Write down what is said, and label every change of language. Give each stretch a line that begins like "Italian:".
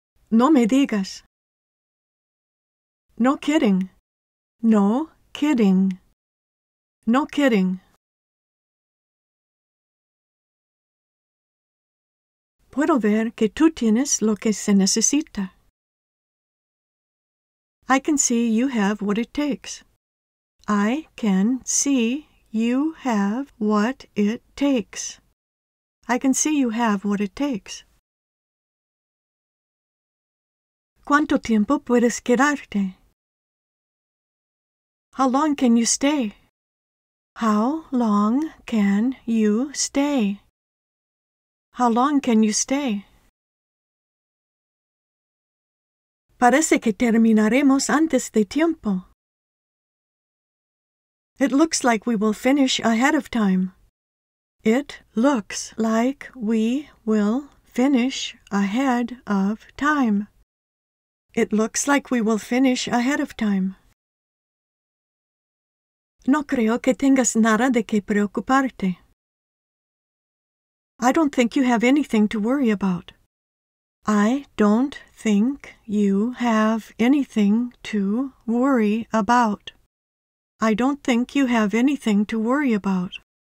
Spanish: No me digas.
English: No kidding. No kidding. No kidding.
Spanish: Puedo ver que tú tienes lo que se necesita.
English: I can see you have what it takes. I can see you have what it takes. I can see you have what it takes.
Spanish: ¿Cuánto tiempo puedes quedarte?
English: How long can you stay? How long can you stay? How long can you stay?
Spanish: Parece que terminaremos antes de tiempo.
English: It looks like we will finish ahead of time. It looks like we will finish ahead of time. It looks like we will finish ahead of time.
Spanish: No creo que tengas nada de qué preocuparte.
English: I don't think you have anything to worry about. I don't think you have anything to worry about. I don't think you have anything to worry about.